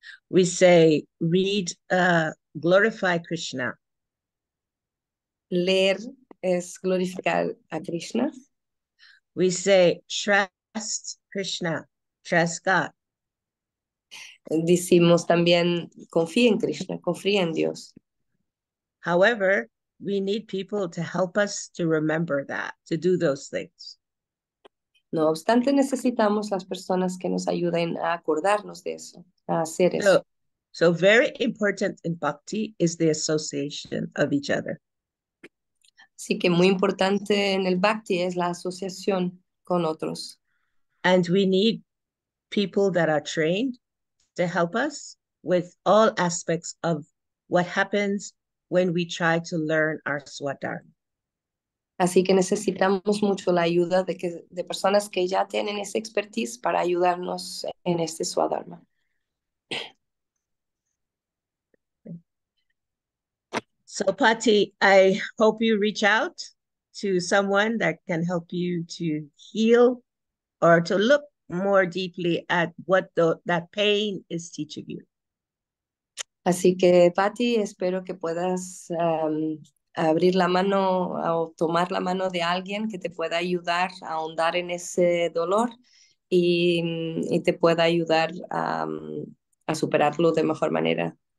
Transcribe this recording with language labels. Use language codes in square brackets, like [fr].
[en] We say read glorify Krishna. [es] Leer es glorificar a Krishna. [en] We say trust Krishna, trust God. [es] Decimos también confía en Krishna, confía en Dios. [en] However, we need people to help us to remember that, to do those things. [es] No obstante, necesitamos las personas que nos ayuden a acordarnos de eso, a hacer eso. [en] So very important in bhakti is the association of each other. [es] Así que muy importante en el bhakti es la asociación con otros. [en] And we need people that are trained to help us with all aspects of what happens when we try to learn our Swadharma. [es] Así que necesitamos mucho la ayuda de personas que ya tienen esa expertise para ayudarnos en este Swadharma. [en] So, Patti, I hope you reach out to someone that can help you to heal or to look more deeply at what that pain is teaching you. [es] Así que, Patti, espero que puedas abrir la mano o tomar la mano de alguien que te pueda ayudar a ahondar en ese dolor y te pueda ayudar a superarlo de mejor manera.